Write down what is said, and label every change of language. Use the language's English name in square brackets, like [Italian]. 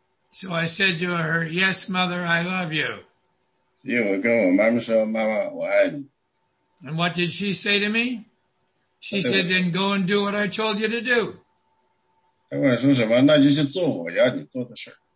[English] So I said to her, yes, mother, I love you. [Chinese] 因为我跟我妈妈说，妈妈，我爱你。 [English] And what did she say to me? She said, then go and do what I told you to do. [Chinese] 她问我说什么，那就是做我要你做的事儿。